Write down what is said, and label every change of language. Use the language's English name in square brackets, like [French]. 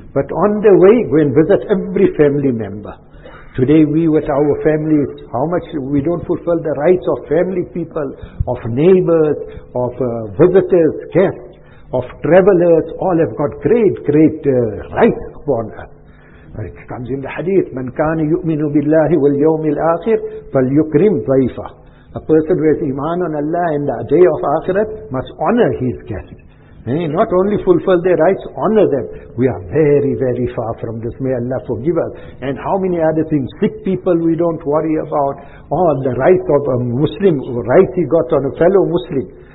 [English] But on the way, go and visit every family member. Today we with our families, how much we don't fulfill the rights of family people, of neighbors, of visitors, guests, of travelers, all have got great rights upon us. It comes in the hadith, [Arabic] مَنْ كَانَ يُؤْمِنُ بِاللَّهِ وَالْيَوْمِ الْآخِرِ فَلْيُكْرِمْ ضَيْفَهُ. [English] A person who has iman on Allah and the day of akhirat must honor his guests. Hey, not only fulfill their rights, honor them. We are very, very far from this. May Allah forgive us. And how many other things? Sick people we don't worry about. All the rights of a Muslim, rights he got on a fellow Muslim.